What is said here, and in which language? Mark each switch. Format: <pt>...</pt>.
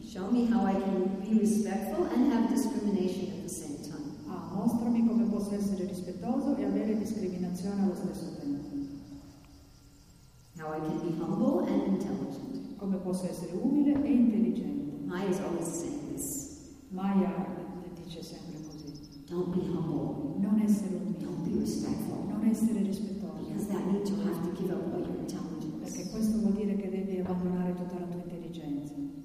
<en>Show me how I can be respectful and have discrimination at the same time.</en> <it>Ah, mostrami come posso essere rispettoso e avere discriminazione allo stesso tempo.</it> <en>How I can be humble and intelligent.</en> <it>Come posso essere umile e intelligente.</it> <en>Maya is always saying this.</en> <it>Maya dice sempre così.</it> <en>Don't be humble.</en> <it>Non essere umile.</it> <en>Don't be respectful.</en> <it>Non essere rispettoso.</it> <en>Because that means you have to give up all your intelligence.</en> <it>Perché questo vuol dire che devi abbandonare tutta la tua intelligenza.</it>